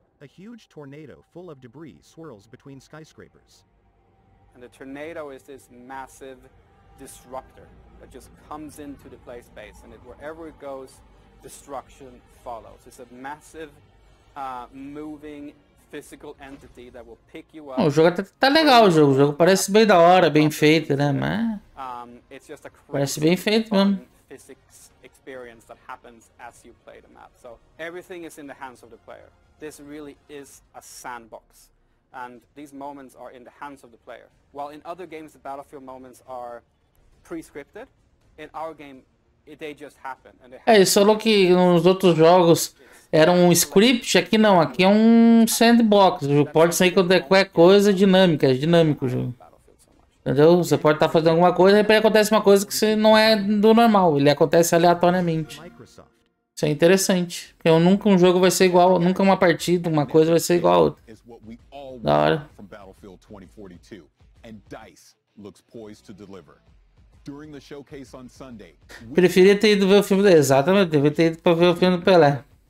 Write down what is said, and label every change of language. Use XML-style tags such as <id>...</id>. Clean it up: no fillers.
<en>A huge tornado full of debris swirls between skyscrapers. And the tornado is this massive disruptor that just comes into the play space, and it, wherever it goes, destruction follows. It's a massive moving physical entity that will pick you up.</en> <pt>O jogo até tá legal, o jogo parece bem da hora, bem feito, né? Mas</pt> <en>it's just a</en> <pt>parece bem feito mesmo.</pt> <en>Physics experience that happens as you play the map. So everything is in the hands of the player. This really is a sandbox, and these moments are in the hands of the player. While in other games the battlefield moments are pre-scripted, in our game they just happen. And they happen.</en> <pt>É, ele falou que nos outros jogos era um script, aqui não, aqui é um sandbox. Pode sair qualquer coisa dinâmica, é dinâmico o jogo. Entendeu? Você pode estar fazendo alguma coisa e acontece uma coisa que você não é do normal, ele acontece aleatoriamente. Isso é interessante, porque eu nunca um jogo vai ser igual, nunca uma partida, uma coisa vai ser igual a outra. Da hora.</pt> <en>From Battlefield 2042, and DICE looks poised to deliver. During the showcase on Sunday,</en> <pt>preferia ter ido ver o filme do exatamente, deveria ter ido para ver o filme do Pelé.</pt>